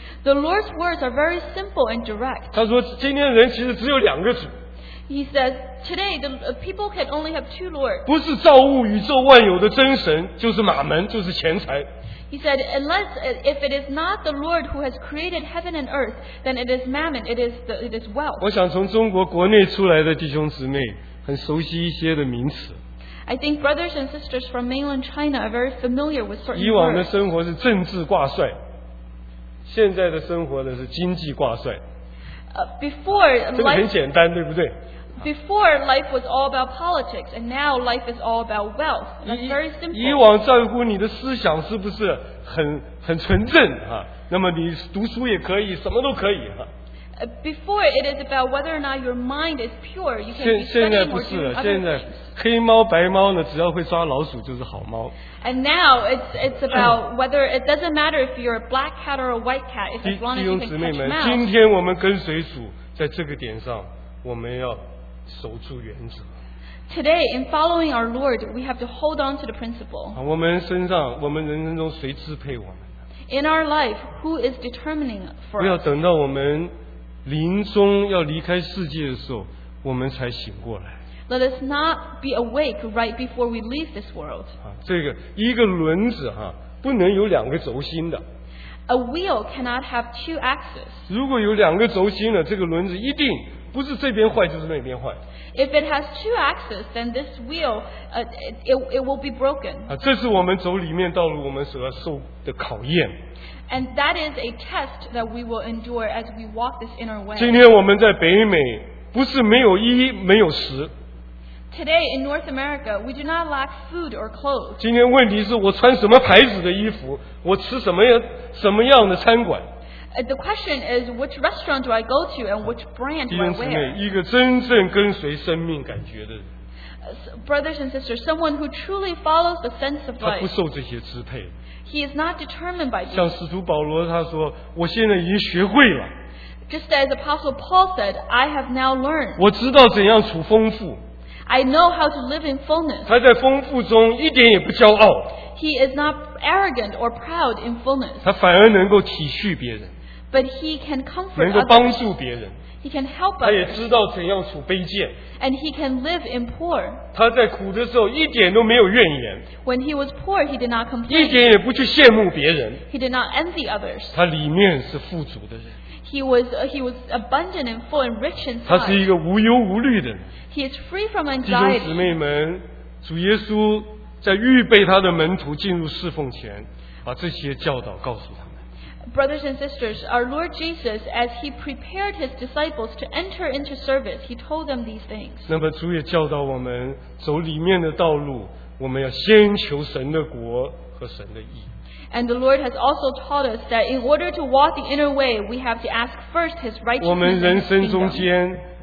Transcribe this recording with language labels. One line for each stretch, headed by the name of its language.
English: The Lord's words are very simple and direct.
Chinese: 他说，今天的人其实只有两个主。
English: He says, today the people can only have two lords.
Chinese: 不是造物宇宙万有的真神，就是马门，就是钱财。
English: He said, unless if it is not the Lord who has created heaven and earth, then it is mammon, it is wealth.
Chinese: 我想从中国国内出来的弟兄姊妹很熟悉一些的名词。
English: I think brothers and sisters from mainland China are very familiar with certain words.
Chinese: 以往的生活是政治挂帅，现在的生活呢是经济挂帅。
English: Before life,
Chinese: 这个很简单，对不对？
English: Before life was all about politics, and now life is all about wealth. That's very simple.
Chinese: 以往照顾你的思想是不是很纯正啊？那么你读书也可以，什么都可以啊。
English: Before it is about whether or not your mind is pure. You can be
Chinese: 现在不是了，现在黑猫白猫呢，只要会抓老鼠就是好猫。
English: And now it's about whether it doesn't matter if you're a black cat or a white cat, if as long as you can catch mouse.
Chinese: 弟兄姊妹们，今天我们跟随主，在这个点上，我们要守住原则。
English: Today, in following our Lord, we have to hold on to the principle.
Chinese: 我们身上，我们人生中谁支配我们？
English: In our life, who is determining for us?
Chinese: 不要等到我们临终要离开世界的时候，我们才醒过来。
English: Let us not be awake right before we leave this world.
Chinese: 这个一个轮子哈，不能有两个轴心的。
English: A wheel cannot have two axes.
Chinese: 如果有两个轴心了，这个轮子一定不是这边坏就是那边坏。
English: If it has two axes, then this wheel, it will be broken.
Chinese: 这是我们走里面道路我们所要受的考验。
English: And that is a test that we will endure as we walk this inner way.
Chinese: 今天我们在北美，不是没有衣没有食。
English: Today in North America, we do not lack food or clothes.
Chinese: 今天问题是我穿什么牌子的衣服，我吃什么样的餐馆。
English: The question is, which restaurant do I go to and which brand do I wear?
Chinese: 弟兄姊妹，一个真正跟随生命感觉的人。
English: Brothers and sisters, someone who truly follows the sense of life.
Chinese: 他不受这些支配。
English: He is not determined by this.
Chinese: 像使徒保罗他说，我现在已经学会了。
English: Just as Apostle Paul said, I have now learned.
Chinese: 我知道怎样处丰富。
English: I know how to live in fullness.
Chinese: 他在丰富中一点也不骄傲。
English: He is not arrogant or proud in fullness.
Chinese: 他反而能够体恤别人。
English: But he can comfort others.
Chinese: 能够帮助别人。
English: He can help others.
Chinese: 他也知道怎样处卑贱。
English: And he can live in poor.
Chinese: 他在苦的时候一点都没有怨言。
English: When he was poor, he did not complain.
Chinese: 一点也不去羡慕别人。
English: He did not envy others.
Chinese: 他里面是富足的人。
English: He was abundant and full and rich in spirit.
Chinese: 他是一个无忧无虑的人。
English: He is free from anxiety.
Chinese: 弟兄姊妹们，主耶稣在预备他的门徒进入侍奉前，把这些教导告诉他们。
English: Brothers and sisters, our Lord Jesus, as he prepared his disciples to enter into service, he told them these things.
Chinese: 那么主也教导我们走里面的道路，我们要先求神的国和神的义。
English: And the Lord has also taught us that in order to walk the inner way, we have to ask first His righteousness and kingdom.